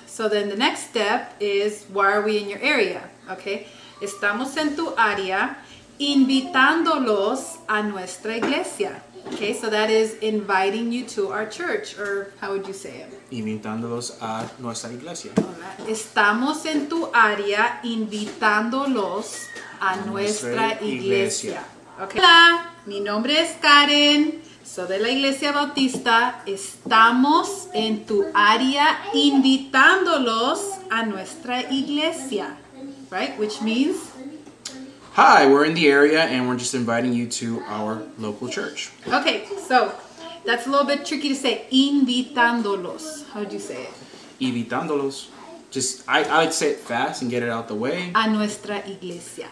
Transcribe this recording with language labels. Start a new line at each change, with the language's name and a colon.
English: So then the next step is, why are we in your area? Okay.
Spanish: Estamos en tu área invitándolos a nuestra iglesia.
English: Okay, so that is inviting you to our church, or how would you say it?
Spanish: Invitándolos a nuestra iglesia.
English: Right.
Spanish: Estamos en tu área invitándolos a nuestra iglesia. Okay. Hola, mi nombre es Karen, soy de la Iglesia Bautista. Estamos en tu área invitándolos a nuestra iglesia.
English: Right, which means... Hi, we're in the area and we're just inviting you to our local church. Okay, so that's a little bit tricky to say, invitándolos. How'd you say it?
Spanish: Invitándolos.
English: Just, I'd say it fast and get it out the way.
Spanish: A nuestra iglesia.